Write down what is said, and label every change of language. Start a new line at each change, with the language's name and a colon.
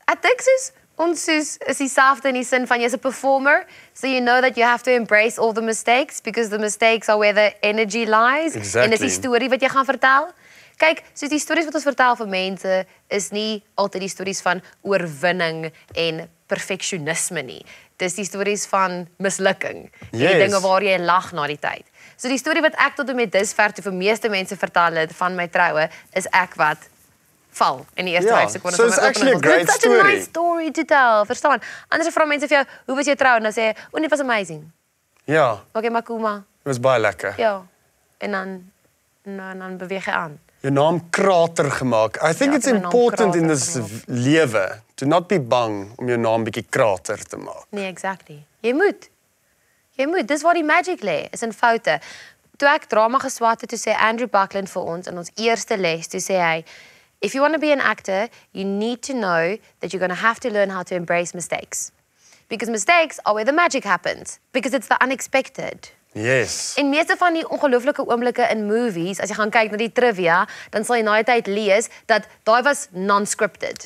English: I think
Afrikaans: soos, ons soos, is dieselfde in die sin van, jy is
English: a performer, so you know that you have to embrace all the mistakes, because the mistakes are where the energy lies. Exactly.
Afrikaans: En is die story wat jy gaan vertel. Kyk, soos die stories wat ons vertel vir mense, is nie altyd die stories van oorwinning en perfectionisme nie. Dis die stories van mislukking.
English: Yes.
Afrikaans: Die dinge waar jy lag na die tyd. So die story wat ek tot en met dusver toe vir meeste mense vertel het van my troue, is ek wat val in die eerste 5 sekondes.
English: So it's actually a great story. It's such a nice story to tell,
Afrikaans: verstaan? Anders vra mense vir jou, hoe was jou troue? En dan sê jy,
English: oh, it was amazing.
Afrikaans: Ja. Okay, maar kuma.
English: It was
Afrikaans: baie lekker. Ja. En dan, dan beweeg jy aan. Jou naam krater gemaak.
English: I think it's important in this
Afrikaans: lewe
English: to not be
Afrikaans: bang om jou naam bietjie krater te maak. Nee, exactly. Jy moet. Jy moet. Dis waar die magic lê, is in foute. Toe ek drama geswat het, toe sê Andrew Buckland vir ons in ons eerste les, toe sê hy,
English: if you want to be an actor, you need to know that you're going to have to learn how to embrace mistakes. Because mistakes are where the magic happens. Because it's the unexpected. Yes.
Afrikaans: En meeste van die ongelooflike oomblikke in movies, as jy gaan kyk na die trivia, dan sal jy na die tyd lees dat daai was non-scripted.